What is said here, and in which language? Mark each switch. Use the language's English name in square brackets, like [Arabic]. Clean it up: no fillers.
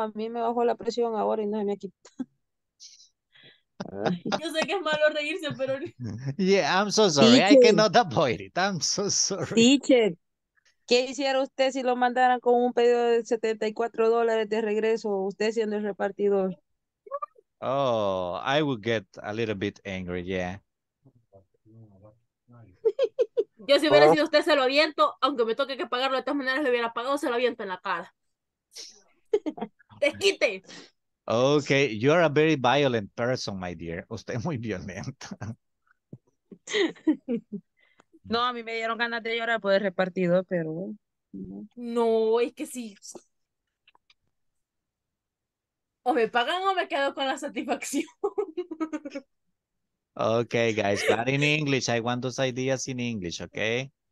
[Spanish] A mí me bajó la presión ahora y no se me ha quitado. Yo sé que es malo reírse, pero... [English] Yeah, I'm so sorry. Teacher. I cannot avoid it. I'm so sorry. [Spanish] Teacher, ¿qué hiciera usted si lo mandaran con un pedido de $74 de regreso, usted siendo el repartidor? [English] Oh, I would get a little bit angry, yeah. [Spanish] Yo si hubiera sido usted, se lo aviento, aunque me toque que pagarlo de todas maneras, le hubiera pagado, se lo aviento en la cara. ¡Desquite! [English] Okay, you are a very violent person, my dear. [Spanish] Usted es muy violenta. No, a mí me dieron ganas de llorar por el repartidor, pero... No, es que sí. O me pagan o me quedo con la satisfacción. [English] Okay, guys, but in English, I want those ideas in English, okay?